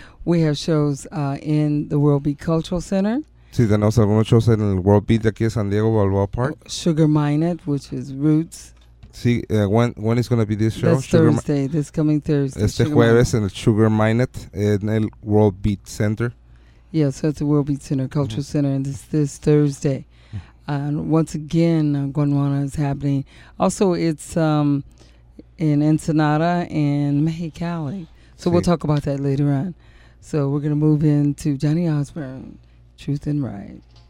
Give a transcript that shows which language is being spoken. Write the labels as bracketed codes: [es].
[en] We have shows in the World Beat Cultural Center. [es] Sí, tenemos algunos shows en el World Beat de aquí de San Diego Balboa Park. [en] Sugar Minet, which is Roots. Sí, when is going to be this show? This coming Thursday. [es] Este jueves en el Sugar Minet en el World Beat Center. [en] Yeah, so it's the World Beat Center, Cultural Center, and it's this Thursday. And once again, Gondwana is happening. Also, it's in Ensenada and Mexicali. So sí. We'll talk about that later on. So we're going to move into Johnny Osborne, Truth and Right.